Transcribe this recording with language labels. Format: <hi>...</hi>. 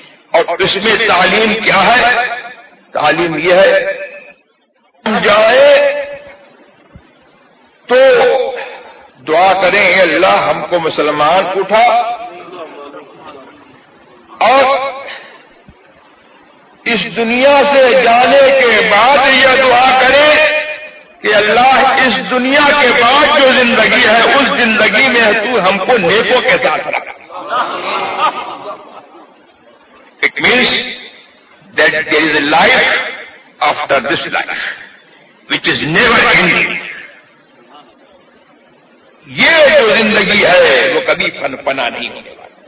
<ur>اور اس میں تعلیم کیا ہے؟ تعلیم یہ ہے جائے تو دعا کریں اللہ ہم کو مسلمان اٹھا اور اس دنیا سے جانے کے بعد یہ دعا کریں کہ اللہ اس دنیا کے بعد جو زندگی ہے اس زندگی میں تو ہم کو نیکوں کے ساتھ رکھ.</ur> <en>It means that there is a life after this life which is never ending.</en> <ur>یہ جو زندگی ہے وہ کبھی فن پنا نہیں ہونے والا.</ur>